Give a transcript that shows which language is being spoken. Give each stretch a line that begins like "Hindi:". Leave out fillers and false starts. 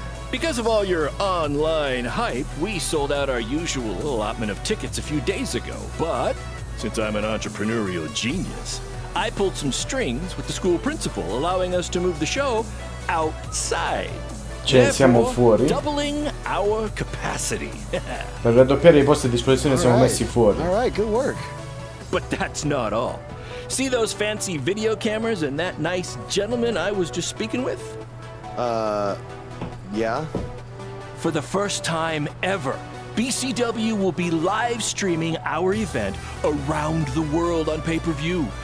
English: Because of all your online hype, we sold out our usual allotment of tickets a few days ago. But since I'm an entrepreneurial genius, I pulled some strings with the school principal, allowing us to move the show outside.
Italian: Cioè, siamo fuori.
English: Doubling our capacity.
Italian: Per raddoppiare i posti a disposizione siamo messi fuori.
English: All right, good work. But that's not all. See those fancy video cameras and that nice gentleman I was just speaking with? Yeah. For the first time ever, BCW will be live streaming our event around the world on pay-per-view.